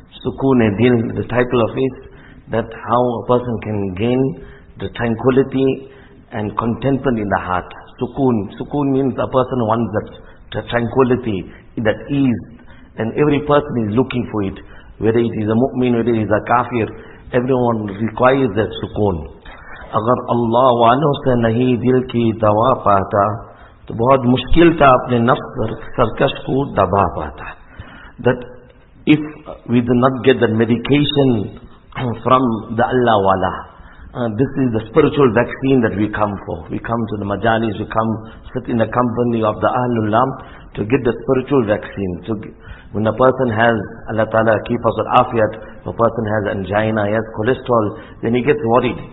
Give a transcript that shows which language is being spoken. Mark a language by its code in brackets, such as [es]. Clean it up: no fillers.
[en] Sukoon e Dil, the title of it, that how a person can gain the tranquility and contentment in the heart. Sukoon. Sukoon means a person wants that tranquility, that ease, and every person is looking for it. Whether it is a mu'min, whether it is a kafir, everyone requires that sukoon. [ur] اگر اللہ والوں سے نہیں دل کی دوا پاتا تو بہت مشکل تھا اپنے نفس سرکش کو دبا پاتا. [en] That if we do not get the medication from the Allah wala, this is the spiritual vaccine that we come for. We come to the majalis, we come sit in the company of the Ahlullah to get the spiritual vaccine. So when a person has, Allah Ta'ala keep us with afiyat, a person has angina, he has cholesterol, then he gets worried.